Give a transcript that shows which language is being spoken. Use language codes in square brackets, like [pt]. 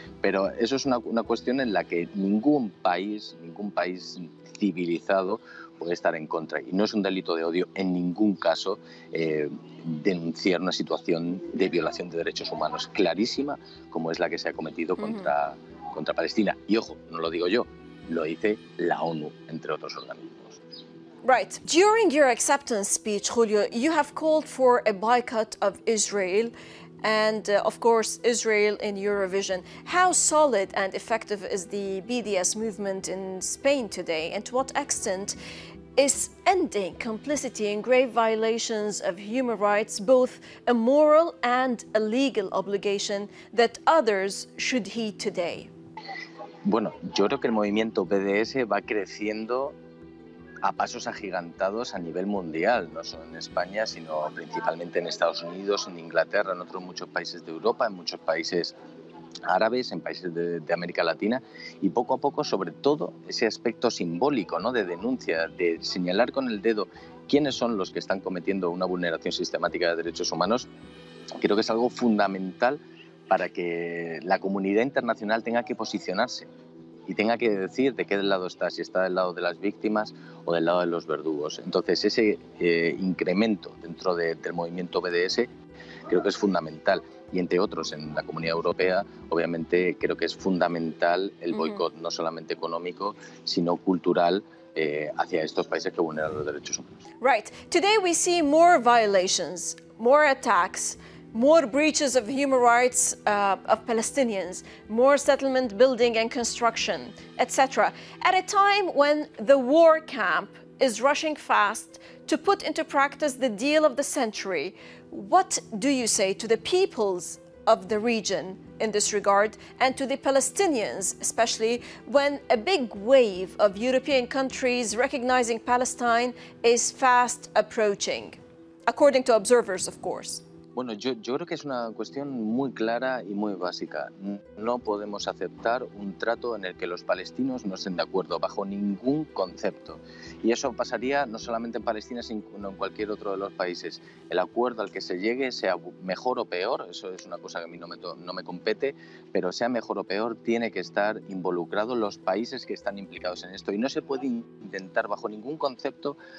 [es] Pero eso es una cuestión en la que ningún país civilizado puede estar en contra. Y no es un delito de odio en ningún caso denunciar una situación de violación de derechos humanos clarísima como es la que se ha cometido contra Palestina. Y ojo, no lo digo yo, lo dice la ONU, entre otros organismos. [en] Right. During your acceptance speech, Julio, you have called for a boycott of Israel and, of course, Israel in Eurovision. How solid and effective is the BDS movement in Spain today? And to what extent is ending complicity in grave violations of human rights both a moral and a legal obligation that others should heed today? [es] Bueno, yo creo que el movimiento BDS va creciendo a pasos agigantados a nivel mundial, no solo en España, sino principalmente en Estados Unidos, en Inglaterra, en otros muchos países de Europa, en muchos países árabes, en países de América Latina, y poco a poco, sobre todo, ese aspecto simbólico, ¿no?, de denuncia, de señalar con el dedo quiénes son los que están cometiendo una vulneración sistemática de derechos humanos, creo que es algo fundamental para que la comunidad internacional tenga que posicionarse y tenga que decir de qué lado está, si está del lado de las víctimas o del lado de los verdugos. Entonces, ese incremento dentro del movimiento BDS creo que es fundamental. Y entre otros, en la Comunidad Europea, obviamente, creo que es fundamental el boicot, no solamente económico, sino cultural, hacia estos países que vulneran los derechos humanos. [en] Right. Today we see more violations, more attacks, more breaches of human rights of Palestinians, more settlement building and construction, etc. At a time when the war camp is rushing fast to put into practice the deal of the century, what do you say to the peoples of the region in this regard and to the Palestinians, especially when a big wave of European countries recognizing Palestine is fast approaching, according to observers, of course? [es] Bueno, yo creo que es una cuestión muy clara y muy básica. No podemos aceptar un trato en el que los palestinos no estén de acuerdo bajo ningún concepto. Y eso pasaría no solamente en Palestina, sino en cualquier otro de los países. El acuerdo al que se llegue, sea mejor o peor, eso es una cosa que a mí no me compete, pero sea mejor o peor, tiene que estar involucrado los países que están implicados en esto. Y no se puede intentar bajo ningún concepto